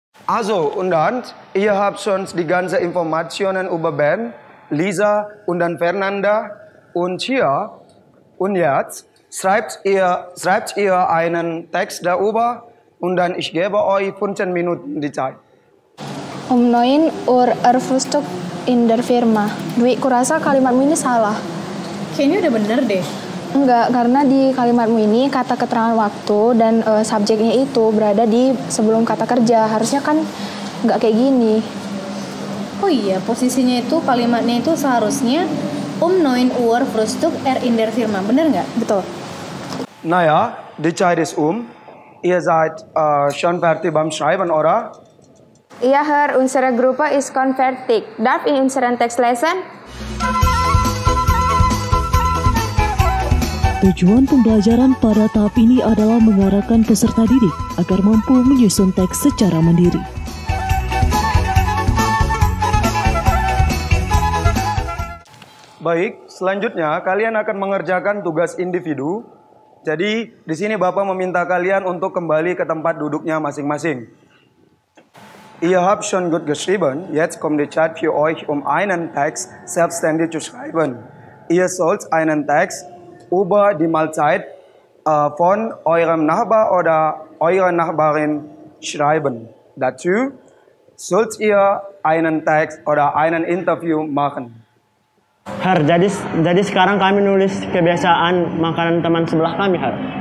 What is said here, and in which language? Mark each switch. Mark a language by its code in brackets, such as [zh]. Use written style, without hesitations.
[de] Also, und dann, ihr habt schon die ganze Informationen über Ben, Lisa und dann Fernanda und hier und jetzt schreibt ihr einen Text darüber und dann ich gebe euch 15 Minuten die Zeit. Um 9 Uhr Frühstück in der Firma. [id] Dwi, kurasa kalimatmu ini salah. Kayaknya udah benar deh. Enggak, karena di kalimatmu ini kata keterangan waktu dan subjeknya itu berada di sebelum kata kerja. Harusnya kan enggak kayak gini. Oh iya, posisinya itu, kalimatnya itu seharusnya [de] um neun uhr Frühstück er in der Firma. [id] Benar enggak? Betul. [de] Na ya, die Zeit ist um. Ihr seid schon fertig beim Schreiben, oder? Ja, Herr, unsere Gruppe ist schon fertig. Darf ich unseren Text lesen? [id] Tujuan pembelajaran pada tahap ini adalah mengarahkan peserta didik agar mampu menyusun teks secara mandiri. Baik, selanjutnya kalian akan mengerjakan tugas individu. Jadi, di sini Bapak meminta kalian untuk kembali ke tempat duduknya masing-masing. [de] Ihr habt schon gut geschrieben, jetzt kommt die Zeit für euch, um einen Text selbstständig zu schreiben. Ihr sollt einen Text über die Mahlzeit von eurem Nachbar oder eurer Nachbarin schreiben. Dazu sollt ihr einen Text oder einen Interview machen. [id] Herr, jadi sekarang kami nulis kebiasaan makanan teman sebelah kami, Herr.